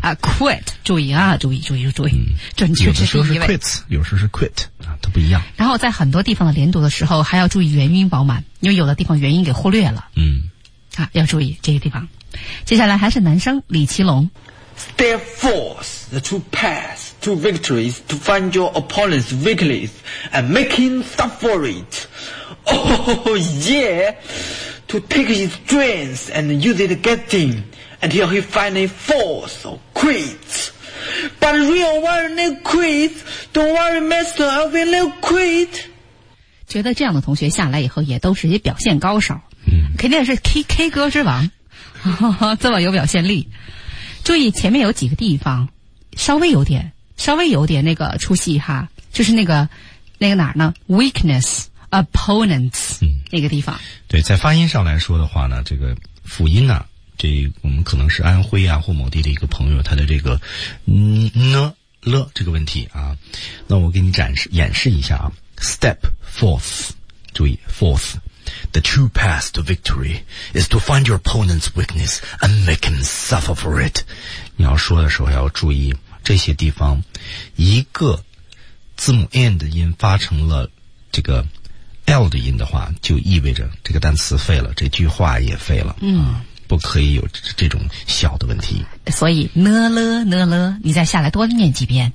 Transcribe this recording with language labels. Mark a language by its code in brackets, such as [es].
[zh] 啊 quit， 注意啊，注意，嗯、准确之第一位。有的时候是 quit， 有时候是 quit 啊，都不一样。然后在很多地方的连读的时候，还要注意元音饱满，因为有的地方元音给忽略了，嗯啊，要注意这个地方。接下来还是男生李奇隆。 [en] Step forth. The true path to victory is to find your opponent's weakness and make him suffer it. Oh, yeah. To take his strength and use it against him until he finally falls or quits. But real warrior never quits. Don't worry, master, I will never quit. [zh] 觉得这样的同学下来以后也都是一些表现高手，肯定是 K 歌之王，这么有表现力。注意前面有几个地方稍微有点那个出戏哈，就是那个哪儿呢 [en] weakness opponents [zh] 那个地方。对，在发音上来说的话呢，这个辅音呢，这我们可能是安徽啊或某地的一个朋友，他的这个呢了这个问题啊，那我给你演示一下啊。 [en] Step forth, [zh] 注意 [en] forth. The true path to victory is to find your opponent's weakness and make him suffer for it. [zh] 你要说的时候要注意这些地方，一个字母 n 的音发成了这个 l 的音的话，就意味着这个单词废了，这句话也废了。不可以有这种小的问题。所以呢了呢了，你再下来多念几遍。